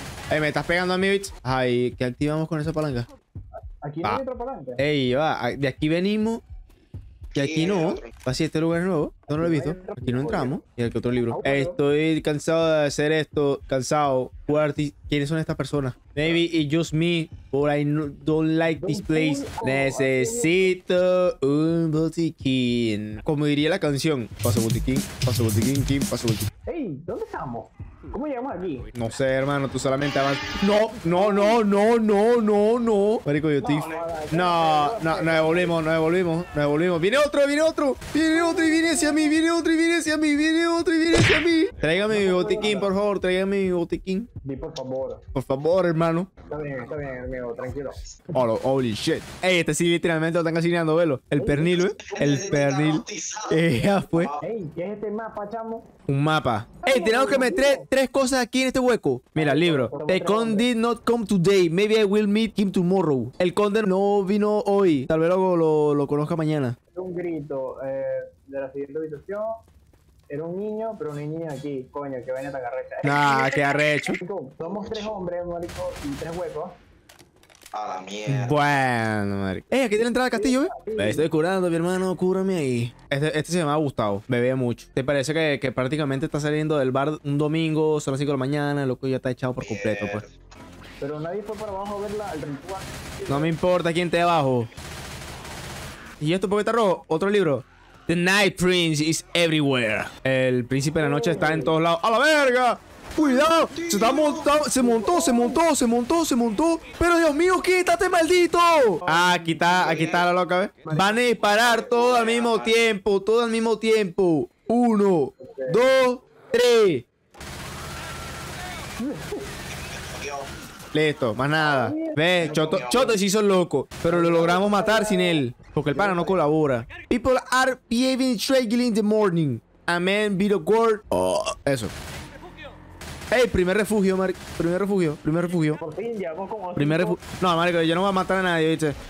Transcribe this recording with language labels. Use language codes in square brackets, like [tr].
[es] Me estás pegando a mí, bitch. Ay, ¿qué activamos con esa palanca? Aquí va. No hay otro palante. Ey, va, de aquí venimos. Y aquí sí, no. Va, si este lugar es nuevo. No, no lo he visto. Aquí no entramos. Y aquí otro libro. Estoy cansado de hacer esto. Cansado. ¿Quiénes son estas personas? [en] Maybe it's just me, but I don't like this place. [es] Necesito un botiquín. Como diría la canción. Paso botiquín, paso botiquín, Kim, paso botiquín. Ey, ¿dónde estamos? ¿Cómo llegamos aquí? No sé, hermano, tú solamente avanzas. No, no, no, no, no, no, no. Marico, yo estoy. No, no, no devolvimos, no devolvimos, no devolvimos. ¡Viene otro, viene otro! ¡Viene otro y viene hacia mí! ¡Viene otro y viene hacia mí! ¡Viene otro y viene hacia mí! Tráigame mi botiquín, por favor, tráigame mi botiquín. Di por favor. Por favor, hermano. Está bien, amigo, tranquilo. [en] Holy shit. [es] Ey, este sí literalmente lo están asignando, velo. El pernil, ¿eh? El pernil. Ya fue. Ey, ¿qué es este mapa, chamo? Un mapa. Ey, tenemos que meter tres cosas aquí en este hueco. Mira, el libro. [en] The conde did not come today. Maybe I will meet him tomorrow. [es] El conde no vino hoy. Tal vez luego lo conozca mañana. Era un grito de la siguiente habitación. Era un niño, pero una niña aquí. Coño, que venía tan arrecha. Nah, qué arrecho. Somos tres hombres, marico, y tres huecos. A la mierda. Bueno, madre. Ey, aquí tiene la entrada al castillo, ¿eh? Sí. Estoy curando, mi hermano. Cúrame ahí. Este se llama Gustavo. Bebía mucho. ¿Te parece que prácticamente está saliendo del bar un domingo? Son las 5 de la mañana. El loco ya está echado por completo, pues. Pero nadie fue para abajo a ver el ritual. No me importa quién esté abajo. ¿Y esto por qué está rojo? Otro libro. [en] The Night Prince is everywhere. [es] El príncipe de la noche está en todos lados. ¡A la verga! ¡Cuidado! Se está montado, se montó, se montó, se montó, se montó. ¡Pero Dios mío, quítate, maldito! Ah, aquí está la loca, ¿ves? Van a disparar todo al mismo tiempo, todo al mismo tiempo. Uno, dos, tres. Listo, más nada. ¿Ves? Choto se hizo loco. Pero lo logramos matar sin él. Porque el pana no colabora. [en] People are behaving strangely in the morning. Amen, be the word. Oh, eso. [es] Ey, primer refugio, marico. Primer refugio. Por fin, ya, vos como. Primer refugio. No, marico, yo no voy a matar a nadie, ¿viste?